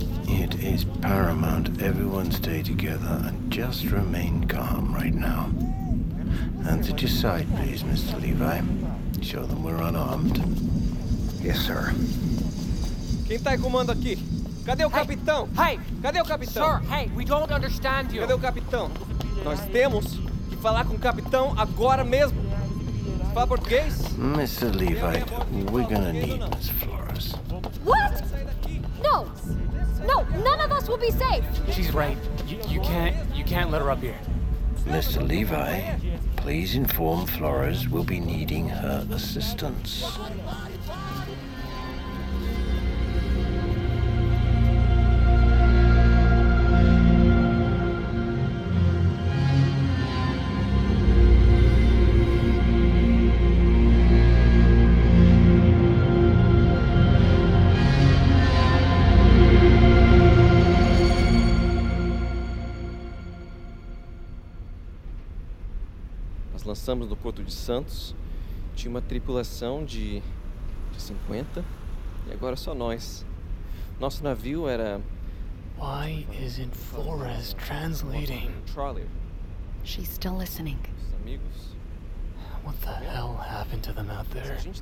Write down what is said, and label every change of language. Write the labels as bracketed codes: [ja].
[en] It is paramount everyone stay together and just remain calm right now. Hands at your side, please, Mr. Levi. Show them we're unarmed. Yes, sir. [pt] Quem tá em comando aqui? Cadê o capitão? [en] Hey! [pt] Cadê o capitão? [en] Sir, hey, we don't understand you. [pt] Cadê o capitão? Nós temos que falar com o capitão agora mesmo. Fala português? [en] Mr. Levi, we're gonna need Miss Flores. What? No! No, none of us will be safe! She's right. You can't let her up here. Mr. Levi, please inform Flores we'll be needing her assistance. [pt] Lançamos do Porto de Santos, tinha uma tripulação de 50, e agora só nós. Nosso navio era... [en] Why isn't Flores translating? She's still listening. What the hell happened to them out there?